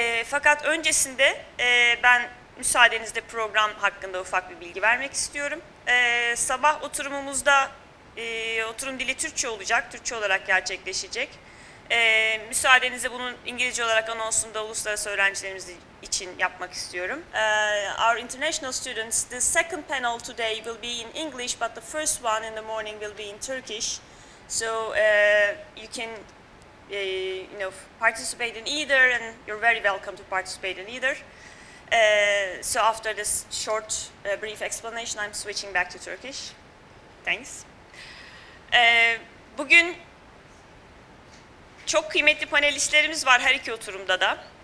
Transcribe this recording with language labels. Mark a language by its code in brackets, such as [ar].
[tr] Fakat öncesinde ben müsaadenizle program hakkında ufak bir bilgi vermek istiyorum. Sabah oturumumuzda oturum dili Türkçe olacak, Türkçe olarak gerçekleşecek. Müsaadenizle bunun İngilizce olarak anonsunu da uluslararası öğrencilerimiz için yapmak istiyorum. [en] Our international students, the second panel today will be in English, but the first one in the morning will be in Turkish. So you can you know, participate in either, and you're very welcome to participate in either. So after this short, brief explanation, I'm switching back to Turkish. Thanks. [tr] Bugün çok kıymetli panelistlerimiz var her iki oturumda da.